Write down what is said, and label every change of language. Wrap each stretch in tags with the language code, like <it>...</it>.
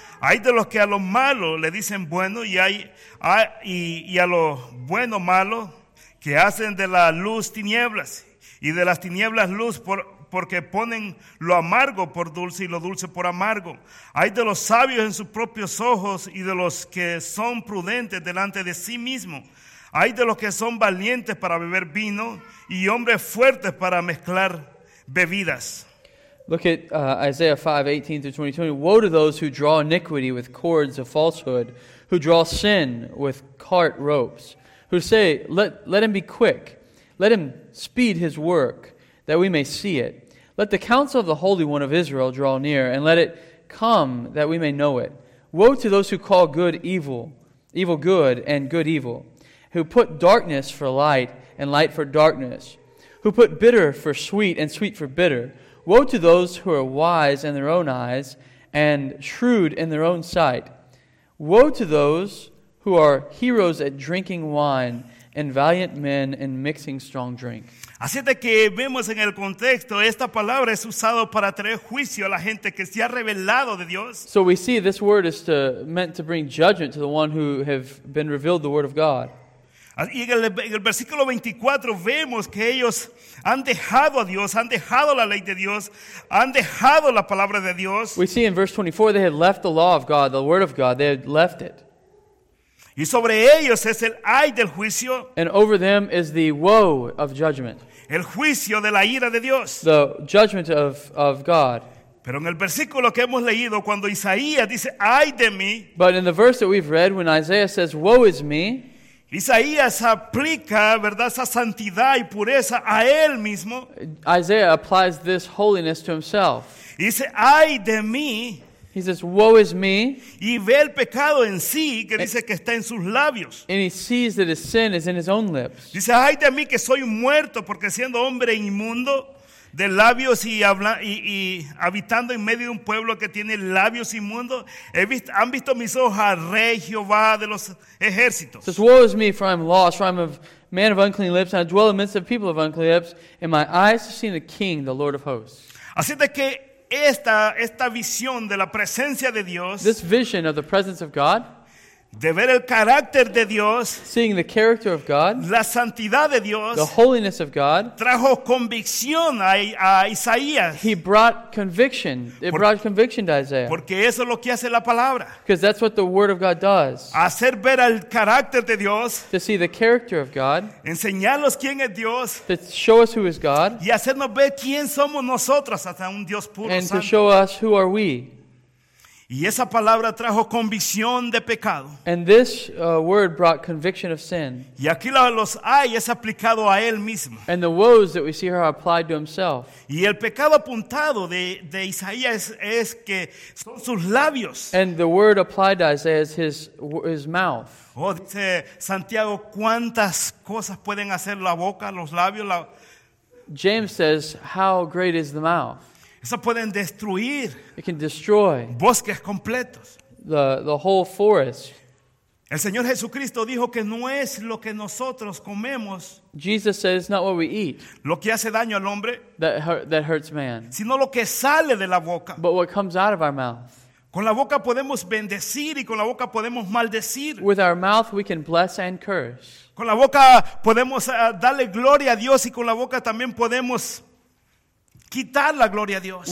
<es>Hay de los que a lo malo le dicen bueno y a lo bueno malo, que hacen de la luz tinieblas y de las tinieblas luz porque ponen lo amargo por dulce y lo dulce por amargo. Hay de los sabios en sus propios ojos y de los que son prudentes delante de sí mismos. Hay de los que son valientes para beber vino y hombres fuertes para mezclar bebidas.</es> <en>Look at Isaiah 5:18 through 22. Woe to those who draw iniquity with cords of falsehood, who draw sin with cart ropes, who say, let him be quick, let him speed his work, that we may see it. Let the counsel of the Holy One of Israel draw near, and let it come that we may know it. Woe to those who call good evil evil good and good evil, who put darkness for light and light for darkness, who put bitter for sweet and sweet for bitter. Woe to those who are wise in their own eyes and shrewd in their own sight. Woe to those who are heroes at drinking wine and valiant men in mixing strong drink.</en> <es>Así es de que vemos en el contexto, esta palabra es usado para traer juicio a la gente que se ha revelado de Dios.</es> <en>So we see this word is to, meant to bring judgment to the one who have been revealed the word of God.</en> <es>Y en el versículo 24 vemos que ellos han dejado a Dios, han dejado la ley de Dios, han dejado la palabra de Dios.</es> <en>We see in verse 24 they had left the law of God, the word of God, they had left it.</en> <es>Y sobre ellos es el ay del juicio.</es> <en>And over them is the woe of judgment.</en> <es>El juicio de la ira de Dios.</es> <en>The judgment of God.</en> <es>Pero en el versículo que hemos leído, cuando Isaías dice, ay de mí.</es> <en>But in the verse that we've read, when Isaiah says, woe is me.</en> <es>Isaías aplica, ¿verdad?, esa santidad y pureza a él mismo.</es> <en>Isaiah applies this holiness to himself.</en> <es>Y dice, ay de mí.</es> <en>He says, woe is me.</en> <es>Y ve el pecado en sí, que dice que está en sus labios.</es> <en>And he sees that his sin is in his own lips.</en> <es>Dice, ay de mí que soy muerto, porque siendo hombre inmundo de labios y habitando en medio de un pueblo que tiene labios inmundos, han visto mis ojos al Rey Jehová de los ejércitos.</es> <en>He says, woe is me, for I am lost, for I am a man of unclean lips, and I dwell amidst of people of unclean lips, and my eyes have seen the King, the Lord of hosts.</en> <es>Así de que Esta visión de la presencia de Dios,</es> <en>this vision of the presence of God,</en> <es>de ver el carácter de Dios,</es> <en>seeing the character of God,</en> <es>la santidad de Dios,</es> <en>the holiness of God,</en> <es>trajo convicción a Isaías.</es> <en>He brought conviction. Brought conviction to Isaiah.</en> <es>Porque eso es lo que hace la palabra.</es> <en>Because that's what the word of God does.</en> <es>Hacer ver el carácter de Dios.</es> <en>To see the character of God.</en> <es>Enseñarnos quién es Dios.</es> <en>To show us who is God.</en> <es>Y hacernos ver quién somos nosotros hasta un Dios puro</es> <en>and</en> <es>santo.</es> <en>To show us who are we.</en> <es>Y esa palabra trajo convicción de pecado.</es> <en>And this word brought conviction of sin.</en> <es>Y aquí los ay es aplicado a él mismo.</es> <en>And the woes that we see are applied to himself.</en> <es>Y el pecado apuntado de Isaías es que son sus labios.</es> <en>And the word applied to Isaiah is his mouth.</en> <es>Oh, dice Santiago, ¿cuántas cosas pueden hacer la boca, los labios?</es> <en>James says, how great is the mouth?</en> <es>Eso pueden destruir.</es> <en>It can destroy</en> <es>bosques completos.</es> <en>The whole forest.</en> <es>El Señor Jesucristo dijo que no es lo que nosotros comemos.</es> <en>Jesus says not what we eat.</en> <es>Lo que hace daño al hombre.</es> <en>That hurts man.</en> <es>Sino lo que sale de la boca.</es> <en>But what comes out of our mouth.</en> <es>Con la boca podemos bendecir y con la boca podemos maldecir.</es> <en>With our mouth we can bless and curse.</en> <es>Con la boca podemos darle gloria a Dios y con la boca también podemos quitar la gloria a Dios.</es>